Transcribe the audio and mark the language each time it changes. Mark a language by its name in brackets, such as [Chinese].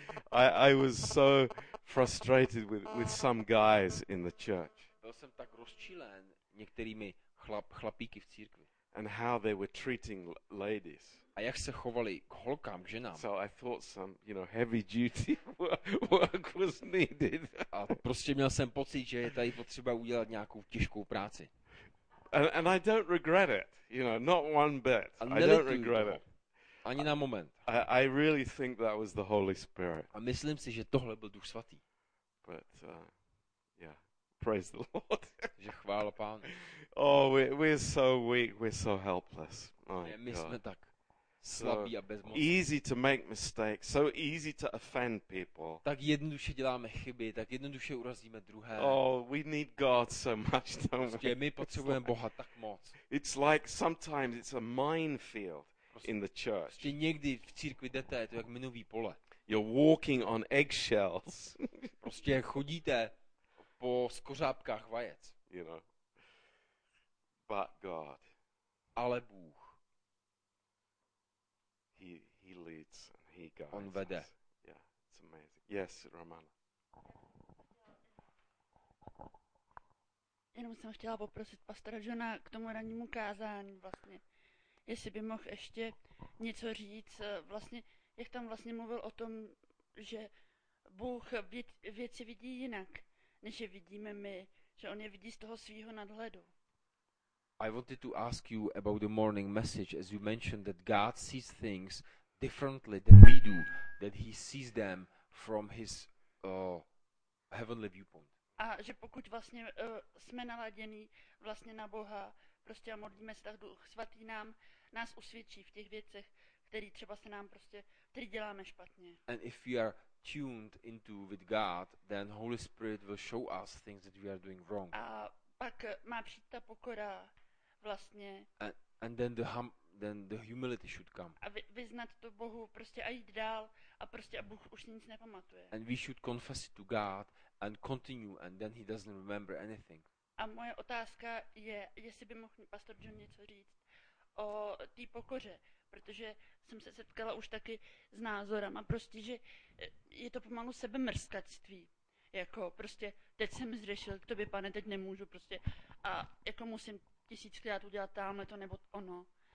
[English] I was so frustrated with some guys in the church. [Czech] Byl jsem tak rozčílen některými chlapíky v církvi. [English] And how they were treating ladies. [Czech] A jak se chovali k holkám, k ženám. [English] So I thought some, you know, heavy duty work was needed. [Czech] A prostě měl jsem pocit, že je tady potřeba udělat nějakou těžkou práci. [English] And I don't regret it, you know, not one bit. I don't regret it. [Czech] Ani na moment. [English] I really think that was the Holy Spirit. [Czech] A myslím si, že tohle byl Duch Svatý. [English] But yeah, praise the Lord. [Czech] Že chvála Pánu. [English] Oh, we're so weak, we're so helpless. My my God. [Czech] Jsme tak slabí a bezmocní. [English] Easy to make mistakes, so easy to offend people. [Czech] Tak jednoduše děláme chyby, tak jednoduše urazíme druhé. [English] Oh, we need God so much, don't we? [Czech] My potřebujeme like, Boha tak moc. [English] It's like sometimes it's a minefield in the church. [Czech] Prostě někdy v církvi jdete, je to jak minový pole. [English] You're walking on eggshells. [Czech] Prostě chodíte po skořápkách vajec. [English] You know. But God. [Czech] Ale Bůh. [English] He leads and he guides. [Czech] On vede. [English] Us. Yeah, it's amazing. Yes, Romana. [Czech] Jenom jsem chtěla poprosit pastora Johna k tomu rannímu kázání vlastně. Jestli by mohl ještě něco říct, vlastně, jak tam vlastně mluvil o tom, že Bůh věci vidí jinak, než je vidíme my, že on je vidí z toho svýho nadhledu. [English] I wanted to ask you about the morning message, as you mentioned that God sees things differently than we do, that he sees them from his heavenly viewpoint. [Czech] A že pokud vlastně jsme naladěni vlastně na Boha, prostě a modlíme se, tak Duch Svatý nás usvědčí v těch věcech, které třeba se nám prostě, které děláme špatně. [English] And if we are tuned into with God, then Holy Spirit will show us things that we are doing wrong. [Czech] A pak má přijít ta pokora vlastně. [English] And then the humility should come. [Czech] A vyznat to Bohu prostě a jít dál a prostě a Bůh už nic nepamatuje. [English] And we should confess it to God and continue and then he doesn't remember anything. [Czech] A moje otázka je, jestli by mohl pastor John něco říct o té pokoře, protože jsem se setkala už taky s názorem a prostě, že je to pomalu sebemrskactví. Jako prostě, teď jsem zřešil, k tobě pane, teď nemůžu prostě a jako musím tisíckrát udělat tamhle to nebo ono.